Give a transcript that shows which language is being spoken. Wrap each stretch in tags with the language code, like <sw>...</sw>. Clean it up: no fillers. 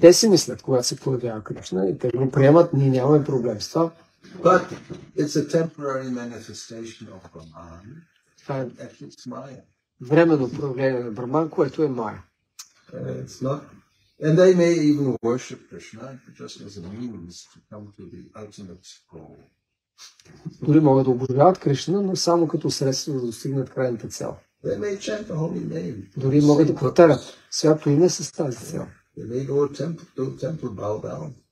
<bg>Те си мислят, когато се появява Кришна и те го приемат, ние нямаме проблем с това.</bg> <en>But it's a temporary manifestation of Brahman, and it's Maya.</en> <bg>Временно проявление на Браман, което е Maya.</bg> <en>It's not. And they may even worship Krishna just as a means to come to the ultimate goal.</en> <bg>Дори могат да обожават Кришна, но само като средство да достигнат крайната цел.</bg> <en>They may chant the holy name.</en> <bg>Дори могат да повтарят свято име с тази цел.</bg> <en>They may go to the temple bow down.</en>